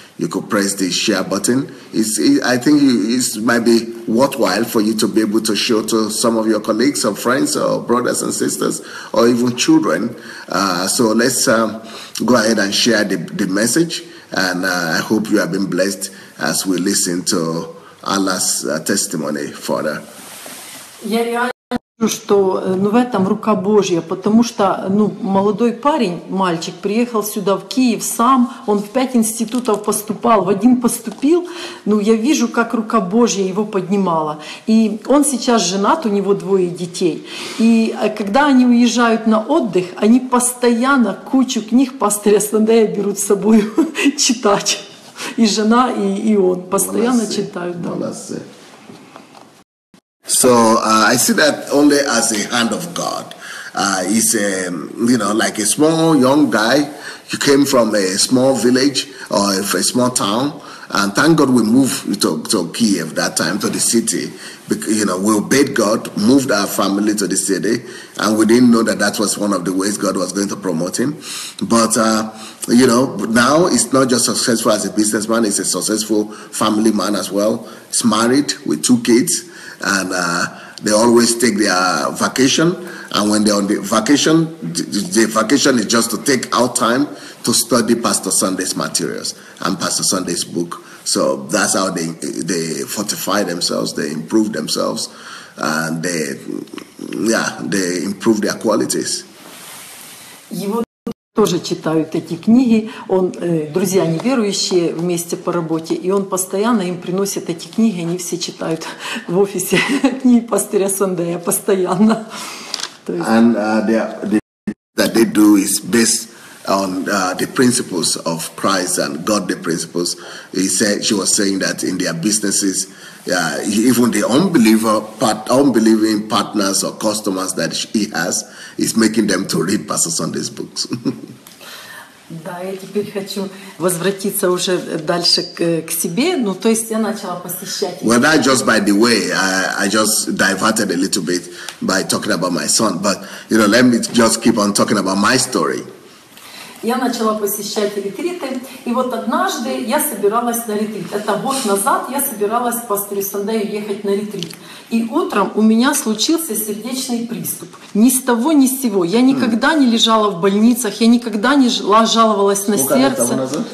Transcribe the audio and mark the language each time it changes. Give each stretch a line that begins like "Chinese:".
English: You could press the share button. I think it might be worthwhile for you to be able to show to some of your colleagues or friends or brothers and sisters or even children. So let's go ahead and share the message. And I hope you have been blessed as we listen to Allah's testimony further.
Russian: Что, ну, в этом рука Божья, потому что, ну, молодой парень, мальчик, приехал сюда в Киев сам, он в 5 институтов поступал, в один поступил, ну, я вижу, как рука Божья его поднимала. И он сейчас женат, у него 2 детей. И когда они уезжают на отдых, они постоянно кучу книг пастыря Сандея берут с собой читать. И жена, и он постоянно читают. Молодцы.
English: So I see that only as a hand of God. He's a, you know, like a small young guy. He came from a small village or a small town. And thank God we moved to Kiev that time, to the city. You know, we obeyed God, moved our family to the city, and we didn't know that that was one of the ways God was going to promote him. But, you know, now he's not just successful as a businessman, he's a successful family man as well. He's married with two kids, and they always take their vacation. And when they're on the vacation, the vacation is just to take out time to study Pastor Sunday's materials and Pastor Sunday's book. So that's how they fortify themselves, they improve themselves, and they improve their qualities.
Russian: Тоже читают эти книги. Он друзья неверующие вместе по работе, и он постоянно им приносит эти книги. Они все читают в офисе книги пастыря Сандея постоянно.
English: And that they do is based on the principles of Christ and God. The principles he said, she was saying that in their businesses, even the unbelieving partners or customers that he has is making them to read Pastor Sunday's books.
Russian: Да, я теперь хочу возвратиться уже дальше к себе. Ну, то есть я начала посещать.
English: Well, that just by the way, I just diverted a little bit by talking about my son, but you know, let me just keep on talking about my story.
Russian: Я начала посещать ретриты, и вот однажды я собиралась на ретрит. Это год назад я собиралась по Стрессандею ехать на ретрит. И утром у меня случился сердечный приступ. Ни с того, ни с сего. Я никогда не лежала в больницах, я никогда не жаловалась на сердце.